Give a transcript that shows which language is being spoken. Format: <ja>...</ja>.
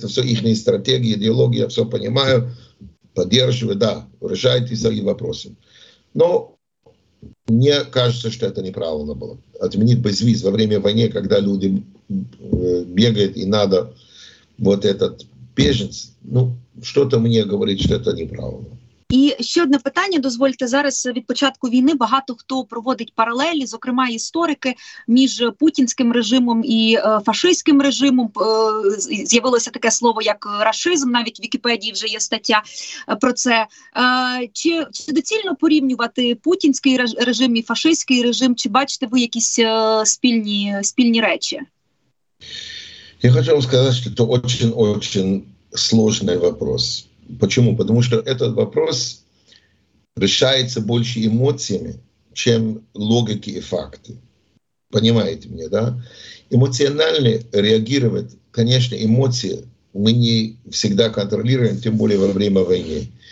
<ru>Это все их стратегия, идеология, я все понимаю, поддерживаю, да, решайте свои вопросы. Но мне кажется, что это неправильно было. Отменить безвиз во время войны, когда люди бегают и надо вот этот беженец, ну, что-то мне говорит, что это неправильно.</ru> <uk>І ще одне питання, дозвольте, зараз від початку війни багато хто проводить паралелі, зокрема історики, між путінським режимом і фашистським режимом. З'явилося таке слово, як рашизм, навіть в Вікіпедії вже є стаття про це. Чи доцільно порівнювати путінський режим і фашистський режим? Чи бачите ви якісь спільні речі? Я хочу вам сказати, що це</uk> <ru>очень-очень сложний вопрос. Почему? Потому что этот вопрос решается больше эмоциями, чем логики и факты. Понимаете меня, да? Эмоционально реагировать, конечно, эмоции мы не всегда контролируем, тем более во время войны.</ru>